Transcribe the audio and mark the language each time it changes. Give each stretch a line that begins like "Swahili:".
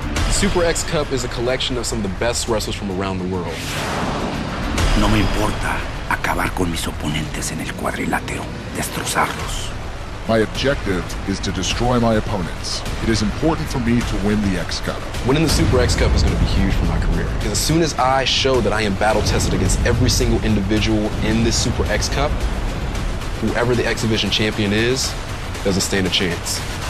English: Super X Cup is a collection of some of the best wrestlers from around the world.
Spanish: No me importa acabar con mis oponentes en el cuadrilátero, destrozarlos.
English: My objective is to destroy my opponents. It is important for me to win the X Cup. Winning the Super X Cup is going to be huge for my career. Because as soon as I show that I am battle-tested against every single individual in this Super X Cup, whoever the X Division champion is, doesn't stand a chance.